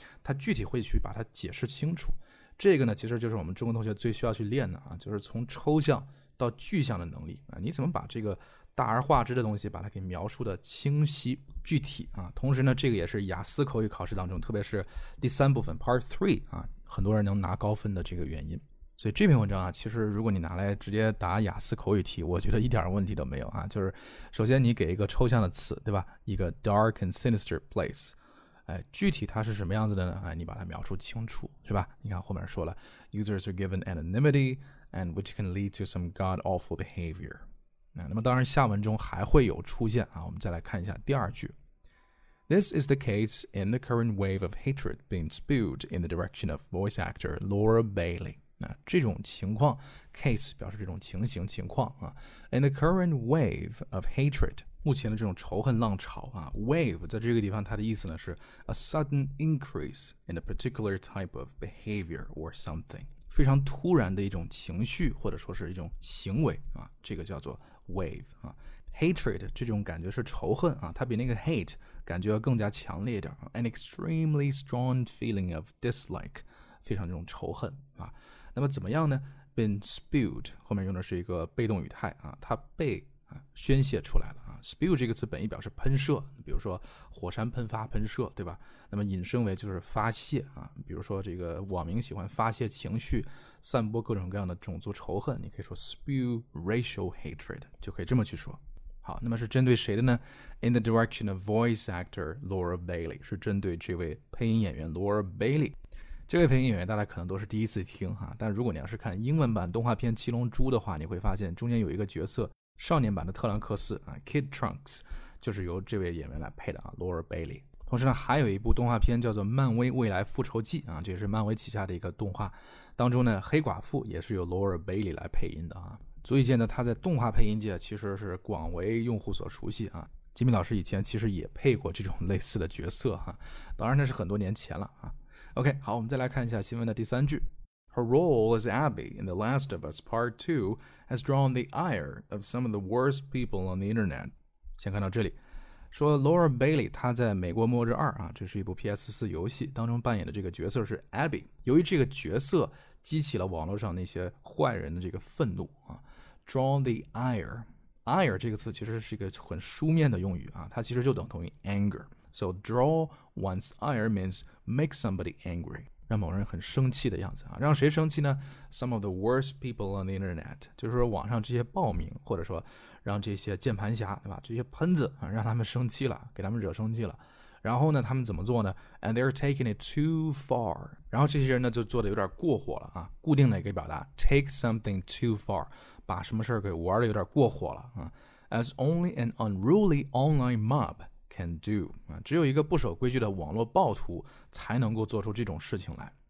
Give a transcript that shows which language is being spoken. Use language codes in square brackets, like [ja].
[zh] 它具体会去把它解释清楚，这个呢其实就是我们中国同学最需要去练的啊，就是从抽象到具象的能力啊，你怎么把这个大而化之的东西把它给描述的清晰具体啊，同时呢这个也是雅思口语考试当中特别是第三部分 part 3啊很多人能拿高分的这个原因。所以这篇文章啊其实如果你拿来直接答雅思口语题我觉得一点问题都没有啊，就是首先你给一个抽象的词对吧，一个 [en] dark and sinister place。 [zh] 具体它是什么样子的呢，你把它描述清楚是吧，你看后面说了 [en] users are given anonymity and which can lead to some god awful behavior。 [zh] 那么当然下文中还会有出现啊，我们再来看一下第二句。 [en] This is the case in the current wave of hatred being spewed in the direction of voice actor Laura Bailey. [zh] 那这种情况 case 表示这种情形情况啊。 [en] In the current wave of hatred, [zh] 目前的这种仇恨浪潮啊 [en] ,wave 在这个地方它的意思呢是 a sudden increase in a particular type of behavior or something. [zh] 非常突然的一种情绪或者说是一种行为啊，这个叫做 wave 啊。 Hatred 这种感觉是仇恨啊，它比那个 hate 感觉更加强烈一点。 [en] An extremely strong feeling of dislike [zh] 非常这种仇恨啊。那么怎么样呢 ? [en] been spewed [zh] 后面用的是一个被动语态啊，它被宣泄出来了啊。 Spew 这个词本意表示喷射，比如说火山喷发喷射对吧，那么引申为就是发泄啊，比如说这个网民喜欢发泄情绪散播各种各样的种族仇恨，你可以说 [en] spew racial hatred [zh] 就可以这么去说。 [en] 好，那么是针对谁的呢 ?In the direction of voice actor Laura Bailey, [zh] 是针对这位配音演员 [en] Laura Bailey。 [zh] 这位配音演员大家可能都是第一次听啊，但如果你要是看英文版动画片七龙珠的话，你会发现中间有一个角色少年版的特兰克斯啊 ,Kid Trunks, 就是由这位演员来配的啊 ,Laura Bailey。同时呢还有一部动画片叫做漫威未来复仇记啊，这也是漫威旗下的一个动画。当中呢黑寡妇也是由 Laura Bailey 来配音的啊。足以见得他在动画配音界其实是广为用户所熟悉啊。吉米老师以前其实也配过这种类似的角色啊，当然那是很多年前了啊。OK, 好，我们再来看一下新闻的第三句。 [en] Her role as Abby in The Last of Us Part 2 has drawn the ire of some of the worst people on the internet. [zh] 先看到这里，说 Laura Bailey 她在《美国末日2》啊，这是一部 PS4 游戏当中扮演的这个角色是 Abby。由于这个角色激起了网络上那些坏人的这个愤怒啊 ， [en] drawn the ire [zh] 这个词其实是一个很书面的用语啊，它其实就等同于 anger。 [en] So draw one's ire means make somebody angry. [zh] 让某人很生气的样子啊，让谁生气呢 ? [en] Some of the worst people on the internet, [zh] 就是说网上这些暴民或者说让这些键盘侠对吧，这些喷子啊，让他们生气了，给他们惹生气了。然后呢他们怎么做呢 ? [en] And they're taking it too far. [zh] 然后这些人呢就做的有点过火了啊，固定的一个表达 , [en] take something too far, [zh] 把什么事给玩的有点过火了啊。 [en] As only an unruly online mob,can do, [zh] 只有一个不守规矩的网络暴徒才能够做出这种事情来。